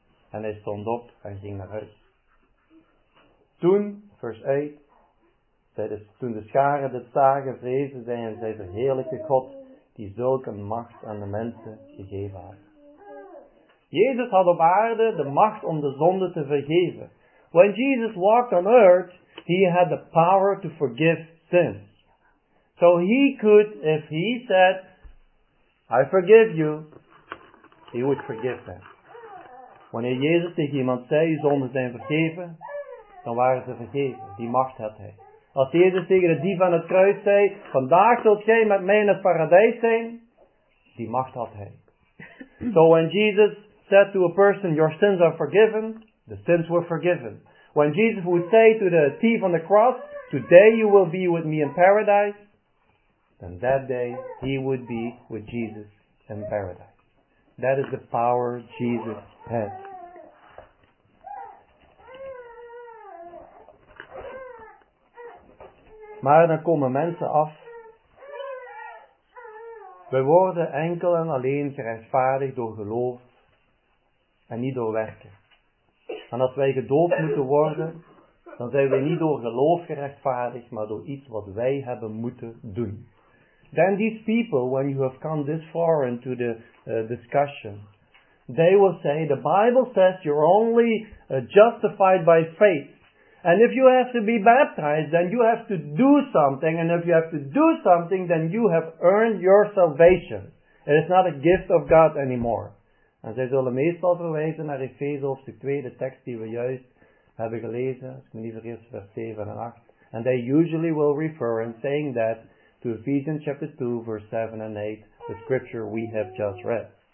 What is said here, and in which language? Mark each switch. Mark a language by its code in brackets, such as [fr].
[nl] En hij stond op en ging naar huis. Toen, vers 8, toen de scharen dit zagen, vrezen zij en zij verheerlijken God, die zulke macht aan de mensen gegeven had. Jezus had op aarde de macht om de zonde te vergeven. [en] When Jesus walked on earth, he had the power to forgive sins. So he could, if he said, I forgive you, he would forgive them. [nl] Wanneer Jezus tegen iemand zei, je zonden zijn vergeven, dan waren ze vergeven. Die macht had hij. Als Jezus tegen de dief aan het kruis zei, vandaag zult jij met mij in het paradijs zijn, die macht had hij. [en] So when Jesus said to a person, your sins are forgiven, the sins were forgiven. When Jesus would say to the thief on the cross, today you will be with me in paradise, then that day, he would be with Jesus in paradise. That is the power Jesus has. [nl] Maar dan komen mensen af. We worden enkel en alleen gerechtvaardigd door geloof en niet door werken. En als wij gedoopt moeten worden, dan zijn wij niet door geloof gerechtvaardigd, maar door iets wat wij hebben moeten doen. [en] Then these people, when you have come this far into the discussion, they will say, the Bible says you're only justified by faith. And if you have to be baptized, then you have to do something. And if you have to do something, then you have earned your salvation. It is not a gift of God anymore. [nl] En zij zullen meestal verwijzen naar Efeze hoofdstuk 2, de tekst die we juist hebben gelezen. Als ik me niet vergis, vers 7 en 8. [en] And they usually will refer in saying that to Ephesians chapter 2, verse 7 and 8, the scripture we have just read.